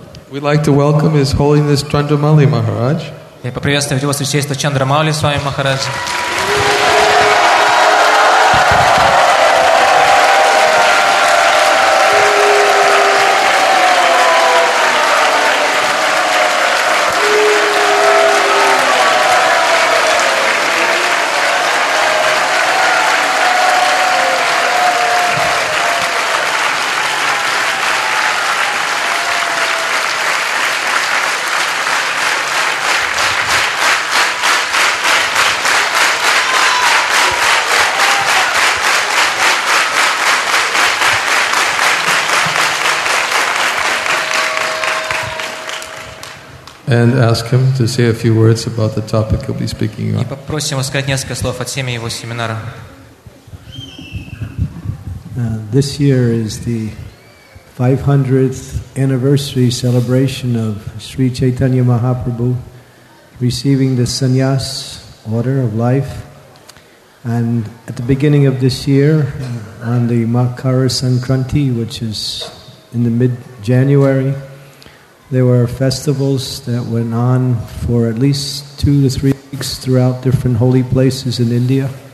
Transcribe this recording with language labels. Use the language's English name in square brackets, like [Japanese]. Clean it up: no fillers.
[English] We'd like to welcome His Holiness Chandramali Maharaj. [Russian] Я поприветствую его святейшество Чандрамали с вами Махарадж. [English] And ask him to say a few words about the topic he'll be speaking on. [Russian] И попросим его сказать несколько слов о теме его семинара. [English] This year is the 500th anniversary celebration of Sri Chaitanya Mahaprabhu receiving the sannyas order of life. And at the beginning of this year, on the Makara Sankranti, which is in the mid-January, there were festivals that went on for at least 2 to 3 weeks throughout different holy places in India.